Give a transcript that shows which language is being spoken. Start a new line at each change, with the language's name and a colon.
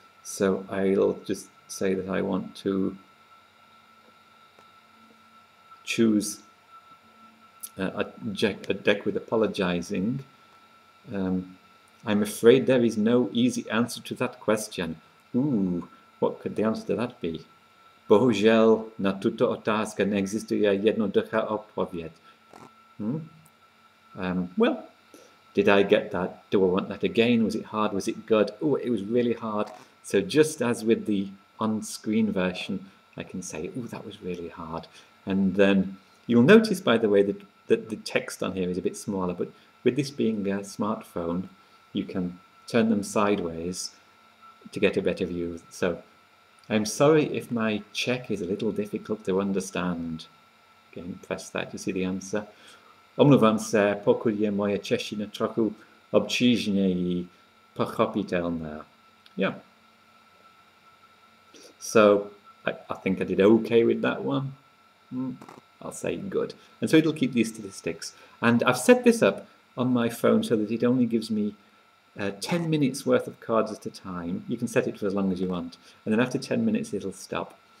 English: So I'll just say that I want to choose a deck with apologizing. I'm afraid there is no easy answer to that question. Ooh, what could the answer to that be?
Czech: Bohužel na tuto otázka neexistuje jednoduchá odpověď.
English: Well, did I get that? Do I want that again? Was it hard? Was it good? Oh, it was really hard. So just as with the on-screen version, I can say, oh, that was really hard. And then you'll notice, by the way, that the text on here is a bit smaller, but with this being a smartphone, you can turn them sideways to get a better view. So I'm sorry if my Czech is a little difficult to understand. Again, press that to see the answer.
Czech: Omlouvám se, pokud je moje čeština trochu obtížněji pochopitelná.
English: Yeah. So I think I did okay with that one. I'll say good. And so it'll keep these statistics. And I've set this up on my phone so that it only gives me 10 minutes worth of cards at a time. You can set it for as long as you want. And then after 10 minutes, it'll stop.